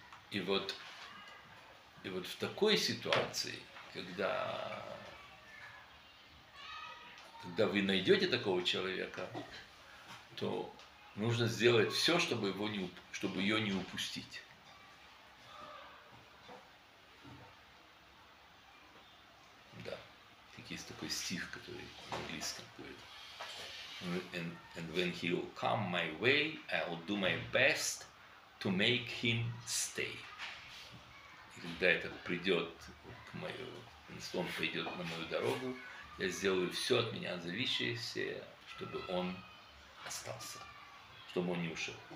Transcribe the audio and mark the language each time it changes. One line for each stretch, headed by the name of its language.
Russian: И вот в такой ситуации, когда вы найдете такого человека, то нужно сделать все, чтобы ее не упустить. Да, есть такой стих, который в английском говорит.
English: And when he'll come my way, I'll do my best to make him stay.
Russian: И когда этот придет к мою, он пойдет на мою дорогу, я сделаю все от меня зависящее, чтобы он остался, чтобы он не ушел.